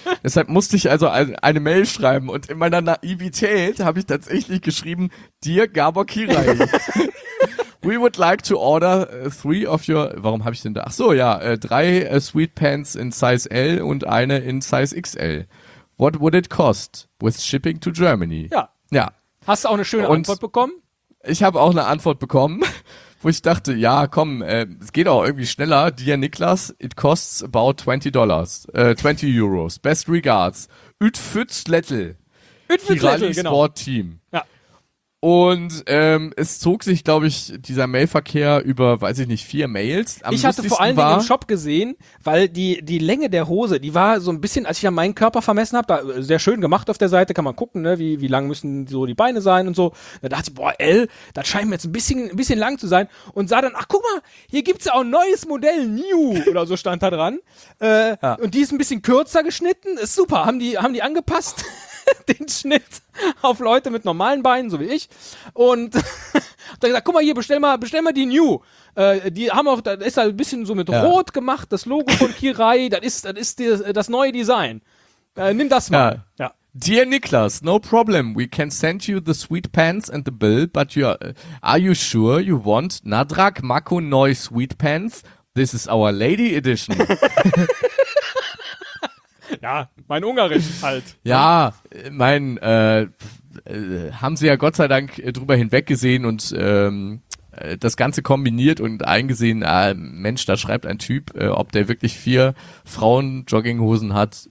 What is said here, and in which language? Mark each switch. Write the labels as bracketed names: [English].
[German] Deshalb musste ich also eine Mail schreiben und in meiner Naivität habe ich tatsächlich geschrieben, [English] dear Gábor Kirai, we would like to order 3 of your, [German] warum habe ich denn da, ach so, ja, [English] 3 Sweet Pants in Size L [German] und eine in [English] Size XL. What would it cost with shipping to Germany? [German] Ja. Hast du auch eine schöne Antwort bekommen? Ich habe auch eine Antwort bekommen, wo ich dachte, ja, komm, es geht auch irgendwie schneller. [English] Dear Niklas, it costs about $20. 20 Euros. Best regards. Ütfützlettl, [German] genau. [English] Sport Team. [German] Ja. Und es zog sich, glaube ich, dieser Mailverkehr über, weiß ich nicht, 4 Mails. Ich hatte vor allen Dingen im Shop gesehen, weil die Länge der Hose, die war so ein bisschen, als ich an meinen Körper vermessen habe, da sehr schön gemacht auf der Seite, kann man gucken, ne, wie lang müssen so die Beine sein und so. Da dachte ich, boah, L, das scheint mir jetzt ein bisschen lang zu sein. Und sah dann, ach guck mal, hier gibt's ja auch ein neues Modell, New, oder so stand da dran. Und die ist ein bisschen kürzer geschnitten, ist super, haben die angepasst. Den Schnitt auf Leute mit normalen Beinen, so wie ich. Und da gesagt, guck mal hier, bestell mal die New. Die haben auch, das ist halt ein bisschen so mit Rot gemacht, das Logo von Kirai, das ist das neue Design. Nimm das mal. Ja. Ja. [English] Dear Niklas, no problem. We can send you the sweet pants and the bill, but are you sure you want Nadrak Mako Noi sweet pants? This is our lady edition. [German] Ja, mein Ungarisch halt. Ja, mein, haben sie ja Gott sei Dank drüber hinweggesehen und das Ganze kombiniert und eingesehen, Mensch, da schreibt ein Typ, ob der wirklich 4 Frauen-Jogginghosen hat.